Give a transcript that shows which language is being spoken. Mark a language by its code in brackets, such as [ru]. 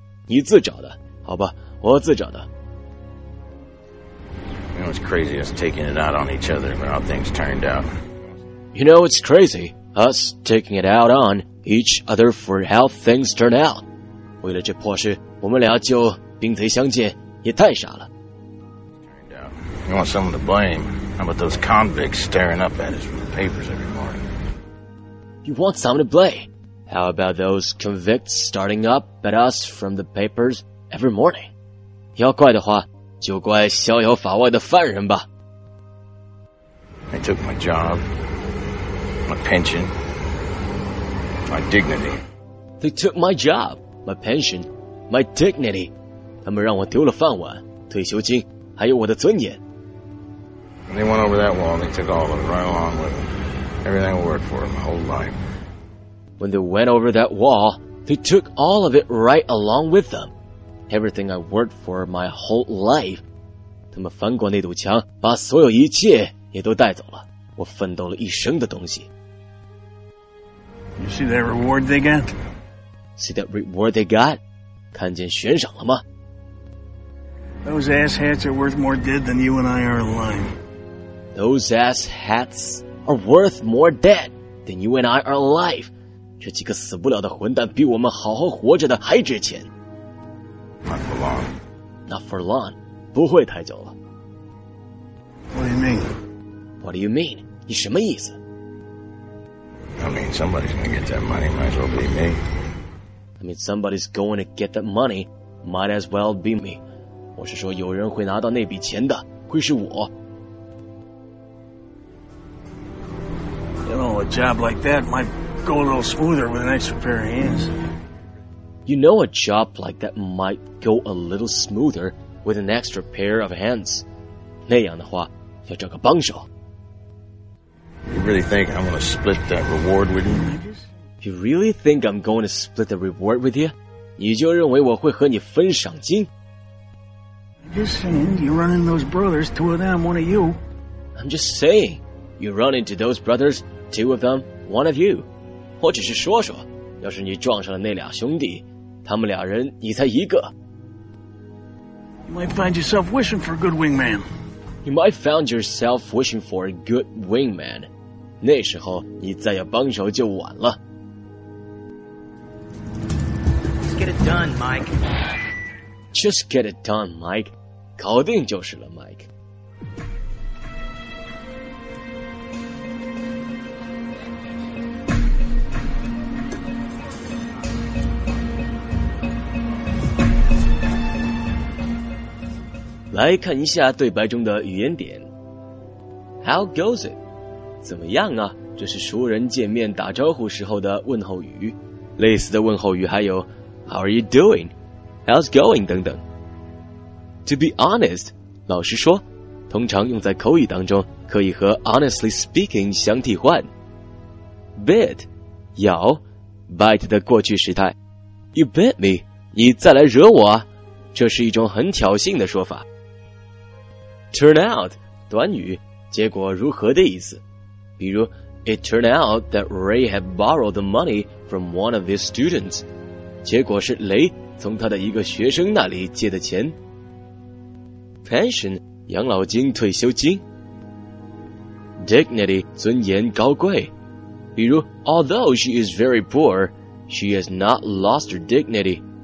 [zh] 你自找的，好吧，我自找的。 [en] You know it's crazy us taking it out on each other about how things turned out. You know it's crazy us taking it out on each other for how things turned out. [zh] 为了这破事，我们俩就冰贼相见，也太傻了。 [en] You want someone to blame? How about those convicts staring up at us from the papers every morning? You want someone to blame? How about those convicts starting up at us from the papers every morning? [zh] 要怪的话，就怪逍遥法外的犯人吧。 [en] They took my job, my pension, my dignity. They took my job, my pension, my dignity. [zh] 他们让我丢了饭碗、退休金，还有我的尊严。 [en] And they went over that wall and they took all of it right along with them. Everything I worked for my whole life. When they went over that wall, they took all of it right along with them. Everything I worked for my whole life. [zh] 他们翻过那堵墙，把所有一切也都带走了，我奋斗了一生的东西。 [en] You see that reward they got? See that reward they got? [zh] 看见悬赏了吗？ [en] Those asshats are worth more dead than you and I are alive. Those asshats are worth more dead than you and I are alive. [zh] 这几个死不了的混蛋比我们好好活着的还值钱。 [en] Not for long. Not for long. [zh] 不会太久了。 [en] What do you mean? What do you mean? [zh] 你什么意思？ [en] I mean, somebody's gonna get that money. Might as well be me. I mean, somebody's going to get that money. Might as well be me. [zh] 我是说有人会拿到那笔钱的会是我。 [en] You know, a job like that might go a little smoother with an extra pair of hands. You know, a job like that might go a little smoother with an extra pair of hands. [zh] 那样的话，要找个帮手。 [en] You really think I'm going to split that reward with you? You really think I'm going to split the reward with you? [zh] 你就认为我会和你分赏金？ [en] Just saying, you run into those brothers, two of them, one of you. I'm just saying, you run into those brothers, two of them, one of you. [zh] 我只是说说，要是你撞上了那俩兄弟，他们俩人你才一个。 [en] You might find yourself wishing for a good wingman. You might find yourself wishing for a good wingman. [zh] 那时候你再要帮手就晚了。 [en] Let's get it done, Mike. Just get it done, Mike. [zh] 搞定就是了 ，Mike. [en] Let's [zh] 看一下对白中的语言点。 [en] How goes it? [zh] 怎么样啊？这是熟人见面打招呼时候的问候语。类似的问候语还有 [en] How are you doing? How's going? [zh] 等等。 [en] To be honest, [zh] 老实说，通常用在口语当中，可以和 [en] honestly speaking [zh] 相替换。 [en] Bit, [zh] 咬 ,bite 的过去时态。 [en] You bit me, [zh] 你再来惹我啊。这是一种很挑衅的说法。 Turn out, 短语，结果如何的意思。比如 [en] ,It turned out that Ray had borrowed the money from one of his students. [zh] 结果是雷从他的一个学生那里借的钱。 Pension, 养老金退休金。 Dignity, 尊严高贵。比如 [en] ,although she is very poor, she has not lost her dignity.